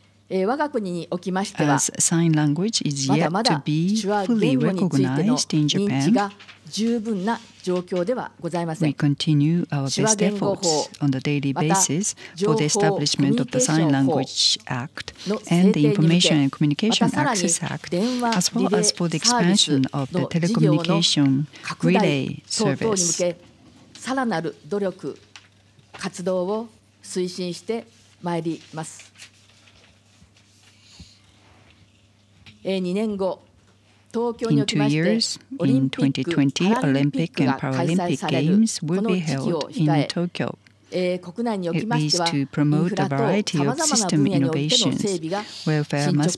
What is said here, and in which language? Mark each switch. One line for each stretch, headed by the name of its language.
Japanese: 我が国におきましては、まだまだ手話言語についての認知が十分な状況ではございません。
English: We continue our best efforts on the daily basis for the establishment of the Sign Language Act and the Information and Communication Access Act, as well as for the expansion of the telecommunication relay service.
Japanese: さらなる努力、活動を推進してまいります。 2年後、東京におきまして、オリンピック、パラリンピックが開催される、この時期を控え、国内におきましては、インフラタワーマンション、様々な施設の建設が進められております。